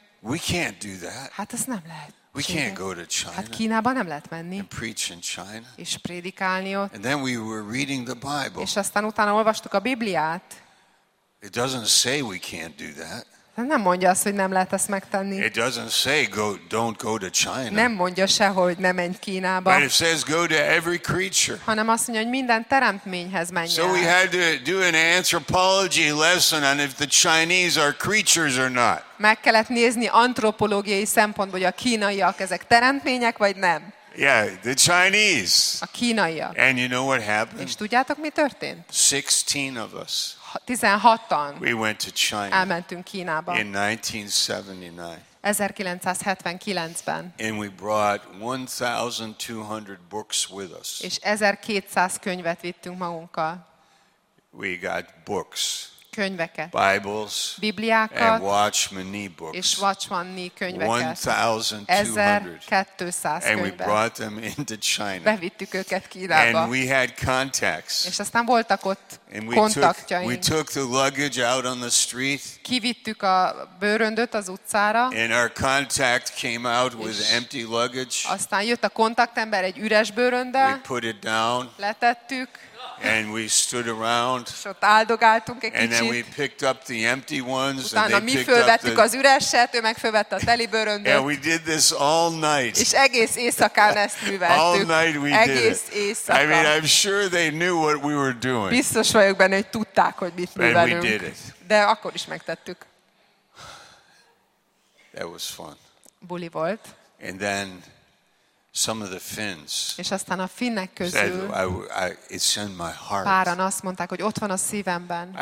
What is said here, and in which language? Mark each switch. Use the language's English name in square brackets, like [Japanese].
[English] we can't do that. [Hungarian] Hát ez nem lehet. [English] We can't go to China. [Hungarian] Hát Kínába nem lehet menni. [English] And preach in China. [Hungarian] És prédikálni ott. [English] And then we were reading the Bible. [Hungarian] És aztán utána olvastuk a Bibliát. [English] It doesn't say we can't do that. [Hungarian] Nem mondja azt, hogy nem lehet ezt megtenni. [English] It doesn't say go, don't go to China. [Hungarian] Nem mondja se, hogy ne menj Kínába. [English] But it says go to every creature. [Hungarian] Hanem azt mondja, hogy minden teremtményhez menj. [English] So we had to do an anthropology lesson on if the Chinese are creatures or not. [Hungarian] Meg kellett nézni antropológiai szempontból, hogy a kínaiak ezek teremtmények vagy nem. [English] Yeah, the Chinese. [Hungarian] A kínaiak. [English] And you know what happened? [Hungarian] És tudjátok, mi történt? [English] 16 of us. [Hungarian] 16-an. [English] We went to China. [Hungarian] Elmentünk Kínába. [English] In 1979. [Hungarian] 1979-ben. [English] And we brought 1200 books with us. [Hungarian] És 1200 könyvet vittünk magunkkal. [English] We got books. [Hungarian] Könyveket. [English] Bibles. [Hungarian] Bibliákat. [English] And Watchman Nee books. [Hungarian] És Watchman Nee könyveket. [English] 1200. And we brought them into China. [Hungarian] Bevittük őket Kínába. [English] And we had contacts. [Hungarian] És aztán voltak ott kontaktjaink. [English] We took the luggage out on the street. [Hungarian] Kivittük a bőröndöt az utcára. [English] And our contact came out with empty luggage. [Hungarian] Aztán jött a kontaktember egy üres bőröndel. [English] We put it down. [Hungarian] Letettük. [English] And we stood around. [Hungarian] Sőt, áldogáltunk egy kicsit. [English] And then we picked up the empty ones. [Hungarian] Utána mi fölvettük az üreset, ő meg fölvette a teli bőröndöt. [English] And we did this all night. [Hungarian] És egész éjszakán ezt műveltük. [English] All night we did. [Hungarian] Egész éjszakán. [English] I mean, I'm sure they knew what we were doing. [Hungarian] Biztos vagyok benne, hogy tudták, hogy mit művelünk. [English] And we did it. [Hungarian] De akkor is megtettük. [English] That was fun. [Hungarian] Buli volt. [English] And then some of the Finns. [Hungarian] És aztán a finnek közül. [English] It's in my heart. [Hungarian] Páran azt mondták, hogy ott van a szívemben.